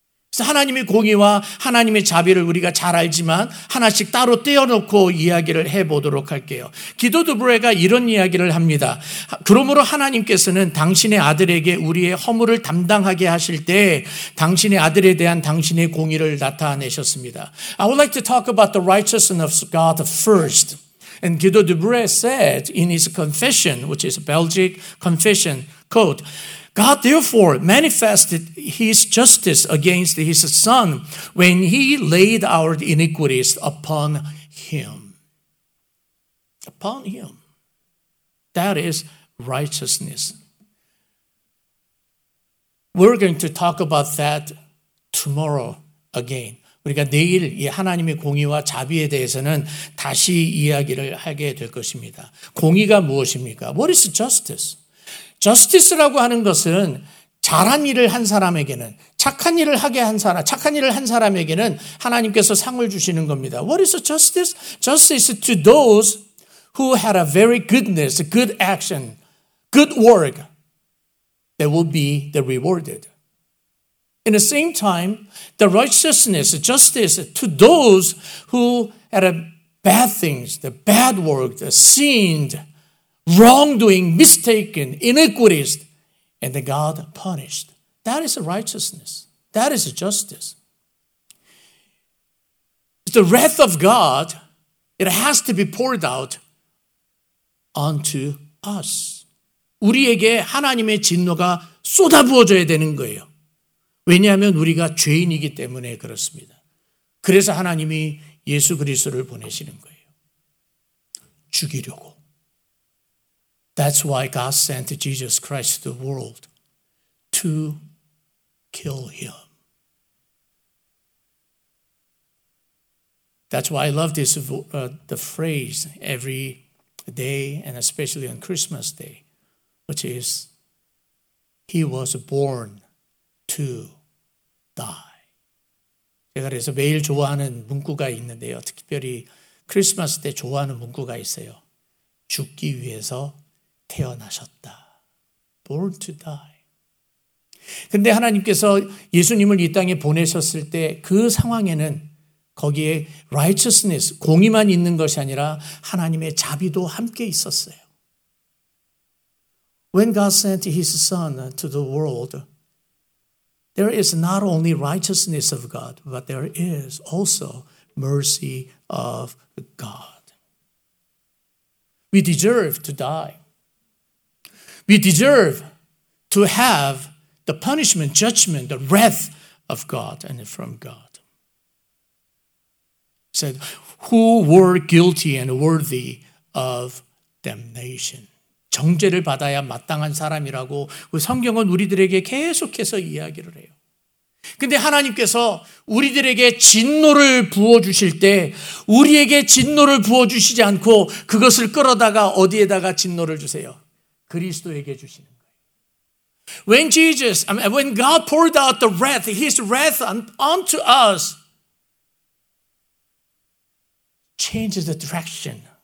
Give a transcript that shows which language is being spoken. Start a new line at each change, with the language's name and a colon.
Korean: 그래서 하나님의 공의와 하나님의 자비를 우리가 잘 알지만 하나씩 따로 떼어놓고 이야기를 해보도록 할게요. 기도드 브레가 이런 이야기를 합니다. 그러므로 하나님께서는 당신의 아들에게 우리의 허물을 담당하게 하실 때 당신의 아들에 대한 당신의 공의를 나타내셨습니다.
English: I would like to talk about the righteousness of God first. And Guido de Bray said in his confession, which is a Belgic confession, quote, God therefore manifested his justice against his son when he laid our iniquities upon him. Upon him. That is righteousness. We're going to talk about that tomorrow again.
Korean: 우리가 내일 이 하나님의 공의와 자비에 대해서는 다시 이야기를 하게 될 것입니다. 공의가 무엇입니까?
English: What is justice?
Korean: Justice라고 하는 것은 잘한 일을 한 사람에게는 착한 일을 하게 한 사람, 착한 일을 한 사람에게는 하나님께서 상을 주시는 겁니다.
English: What is justice? Justice to those who had a very goodness, a good action, good work, they will be the rewarded. In the same time, the righteousness, justice to those who had a bad things, the bad work, the sinned, wrongdoing, mistaken, iniquities, and God punished. That is righteousness. That is justice. The wrath of God, it has to be poured out onto us.
Korean: 우리에게 하나님의 진노가 쏟아부어져야 되는 거예요. 왜냐하면 우리가 죄인이기 때문에 그렇습니다. 그래서 하나님이 예수 그리스도를 보내시는 거예요. 죽이려고.
English: That's why God sent Jesus Christ to the world to kill him. That's why I love this the phrase every day and especially on Christmas Day, which is He was born to die.
Korean: 제가 그래서 매일 좋아하는 문구가 있는데요. 특별히 크리스마스 때 좋아하는 문구가 있어요. 죽기 위해서 태어나셨다.
English: Born to die.
Korean: 근데 하나님께서 예수님을 이 땅에 보내셨을 때 그 상황에는 거기에 righteousness, 공의만 있는 것이 아니라 하나님의 자비도 함께 있었어요.
English: When God sent His Son to the world, there is not only righteousness of God, but there is also mercy of God. We deserve to die. We deserve to have the punishment, judgment, the wrath of God and from God. He said, who were guilty and worthy of damnation?
Korean: 정죄를 받아야 마땅한 사람이라고 성경은 우리들에게 계속해서 이야기를 해요. 근데 하나님께서 우리들에게 진노를 부어주실 때 우리에게 진노를 부어주시지 않고 그것을 끌어다가 어디에다가 진노를 주세요? 그리스도에게 주시는 거예요.
English: When Jesus, I mean, when God poured out the wrath, his wrath onto us, changes the direction.